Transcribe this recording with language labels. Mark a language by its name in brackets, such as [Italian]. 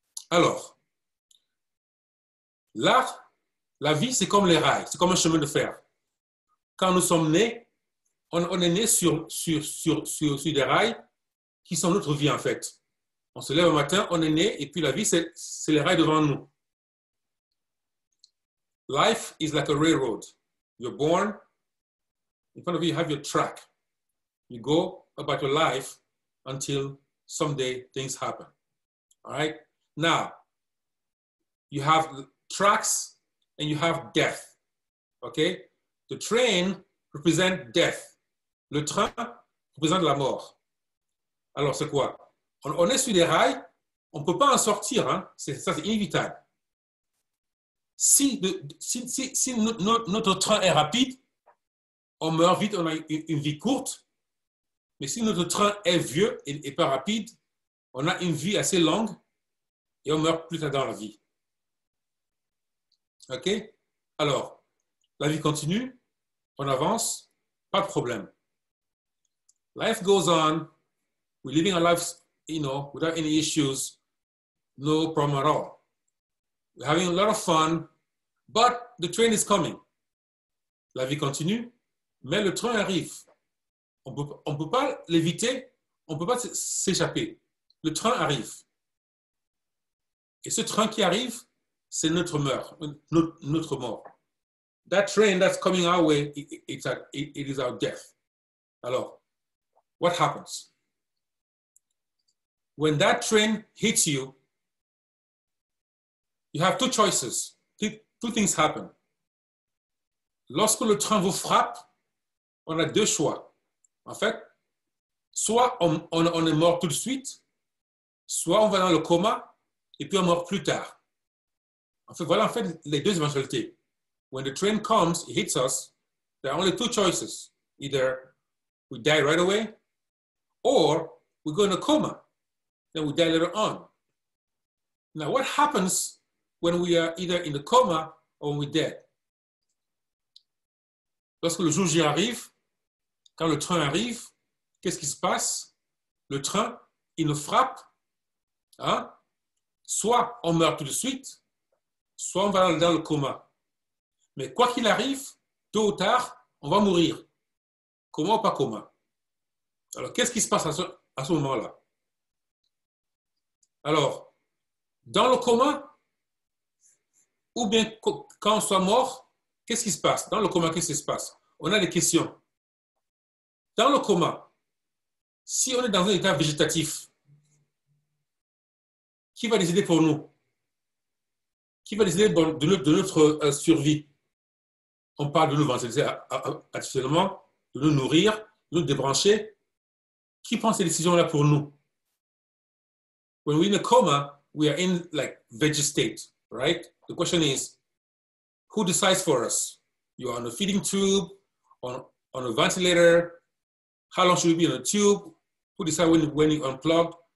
[French] Alors, là, la vie, c'est comme les rails, c'est comme un chemin de fer. Quand nous sommes nés, on est nés sur des rails qui sont notre vie, en fait. On se lève un matin, on est né, et puis la vie, c'est les rails devant nous. [English] Life is like a railroad. You're born, in front of you, you have your track. You go about your life until someday things happen. All right? Now, you have tracks, and you have death, okay? The train represents death. [French] Le train représente la mort. Alors, c'est quoi? On est sur des rails, on ne peut pas en sortir, hein? C'est inévitable. Si notre train est rapide, on meurt vite, on a une vie courte. Mais si notre train est vieux et n'est pas rapide, on a une vie assez longue et on meurt plus tard dans la vie. OK? Alors, la vie continue, on avance, pas de problème. [English] Life goes on, we're living our lives, you know, without any issues, no problem at all. We're having a lot of fun, but the train is coming. [French] La vie continue, mais le train arrive. On peut pas l'éviter, on peut pas s'échapper. Le train arrive. Et ce train qui arrive, c'est notre mort, notre mort. [English] That train that's coming our way, it is our death. Alors, what happens? When that train hits you, you have two choices. Two things happen. [French] Lorsque le train vous frappe, on a deux choix. En fait, soit on est mort tout de suite, soit on va dans le coma et puis on meurt plus tard. En fait, voilà en fait les deux éventualités. [English] When the train comes, it hits us, there are only two choices. Either we die right away or we go in a coma. Then we die later on. Now, what happens when we are either in the coma or when we're dead? [French] Lorsque le jour J arrive, quand le train arrive, qu'est-ce qui se passe? Le train, il nous frappe. Hein? Soit on meurt tout de suite, soit on va dans le coma. Mais quoi qu'il arrive, tôt ou tard, on va mourir. Comment ou pas comment? Alors, qu'est-ce qui se passe à ce moment-là? Alors, dans le coma, ou bien quand on soit mort, qu'est-ce qui se passe? Dans le coma, qu'est-ce qui se passe? On a des questions. Dans le coma, si on est dans un état végétatif, qui va décider pour nous? Qui va décider de notre survie? On parle de nous ventiliser actuellement, de nous nourrir, de nous débrancher. Qui prend ces décisions-là pour nous? [English] When we're in a coma, we are in like veggie state, right? The question is, who decides for us? You are on a feeding tube, on a ventilator. How long should we be on a tube? Who decides when you unplug?